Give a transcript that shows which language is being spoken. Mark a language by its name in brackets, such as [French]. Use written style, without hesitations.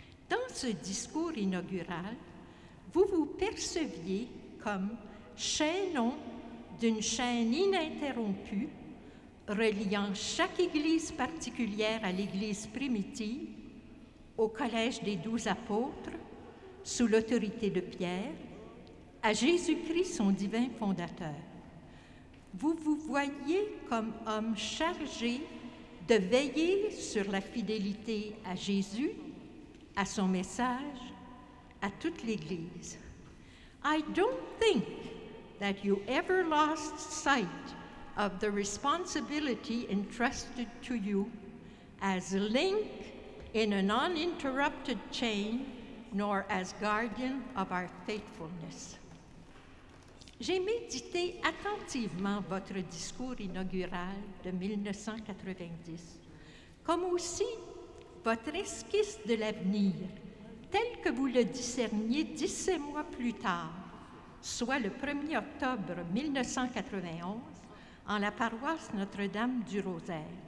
[French] Dans ce discours inaugural, vous vous perceviez comme chaînon d'une chaîne ininterrompue reliant chaque église particulière à l'église primitive, au collège des 12 apôtres, sous l'autorité de Pierre, à Jésus-Christ, son divin fondateur. Vous vous voyez comme homme chargé de veiller sur la fidélité à Jésus, à son message, à toute l'Église. [English] I don't think that you ever lost sight of the responsibility entrusted to you as link in an uninterrupted chain, nor as guardian of our faithfulness. [French] J'ai médité attentivement votre discours inaugural de 1990, comme aussi votre esquisse de l'avenir, tel que vous le discerniez 17 mois plus tard, soit le 1er octobre 1991, en la paroisse Notre-Dame du Rosaire.